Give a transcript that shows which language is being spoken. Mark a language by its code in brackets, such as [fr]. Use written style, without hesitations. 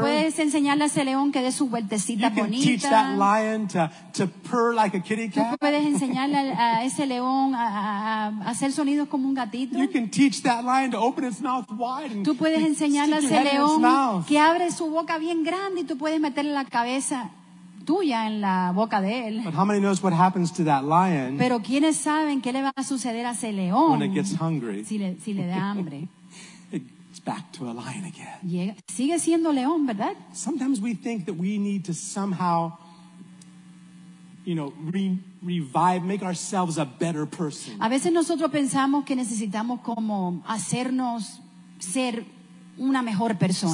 [es] Puedes enseñarle a ese león que dé su vueltecita bonita. [en] You can teach that lion to purr like a kitty cat. [es] Tú puedes enseñarle a ese león a hacer sonidos como un gatito. [en] You can teach that lion to open its mouth wide. [es] Tú puedes enseñarle a ese león que abre su boca bien grande y tú puedes meterle la cabeza tuya en la boca de él. [en] But how many knows what happens to that lion? [es] Pero ¿quiénes saben qué le va a suceder a ese león? [en] When it gets hungry. [es] Si le da hambre. [en] Back to a lion again. [es] Sigue siendo león, ¿verdad? [en] Sometimes we think that we need to somehow, you know, revive, make ourselves a better person. [es] A veces nosotros pensamos que necesitamos como hacernos ser una mejor persona.